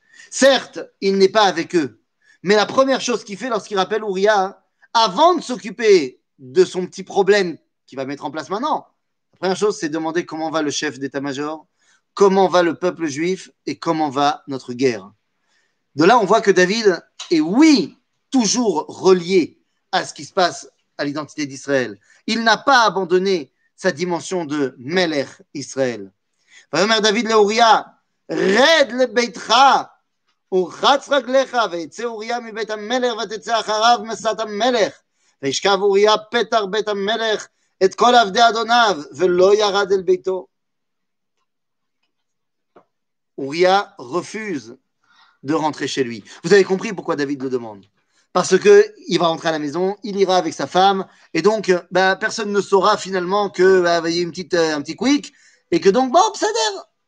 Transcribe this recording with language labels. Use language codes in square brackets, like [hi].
[fr] Certes, il n'est pas avec eux. Mais la première chose qu'il fait lorsqu'il rappelle Uria, avant de s'occuper de son petit problème qu'il va mettre en place maintenant, la première chose, c'est demander comment va le chef d'état-major, comment va le peuple juif et comment va notre guerre. De là, on voit que David est, oui, toujours relié à ce qui se passe à l'identité d'Israël. Il n'a pas abandonné sa dimension de Melech Israël. [he] Vayomer David le Uria, red le Beitcha, ורחץ רגליך, ויצא אוריה מבית המלך, ותצא אחריו מסת המלך, וישכב אוריה פתר בית המלך, את כל עבדי אדוניו, ולא ירד אל ביתו. [fr] אוריה refuse de rentrer chez lui. Vous avez compris pourquoi David le demande. Parce que il va rentrer à la maison, il ira avec sa femme, et donc bah, personne ne saura finalement qu'il y a un petit quick, et que donc, bon, ça dève.